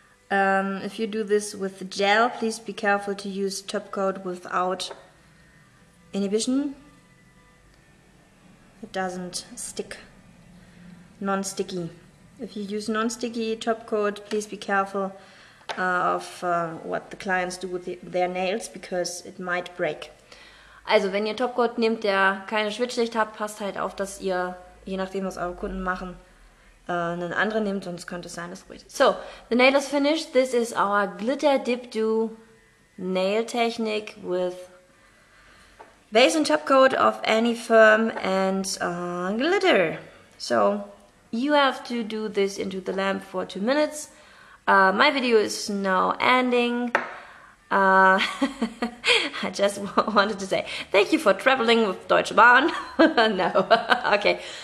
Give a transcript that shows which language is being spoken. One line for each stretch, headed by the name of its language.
English: If you do this with gel, please be careful to use top coat without inhibition. It doesn't stick, non-sticky. If you use non-sticky top coat, please be careful of what the clients do with their nails, because it might break.
German: Also, wenn ihr Topcoat nehmt, der keine Schwitzschicht hat, passt halt auf, dass ihr, je nachdem, was eure Kunden machen, einen anderen nehmt, sonst könnte es sein, dass es bricht.
English: So, the nail is finished. This is our Glitter Dip Do Nail Technique with base and top coat of any firm and glitter. So, you have to do this into the lamp for 2 minutes. My video is now ending. I just wanted to say thank you for traveling with Deutsche Bahn. No. Okay.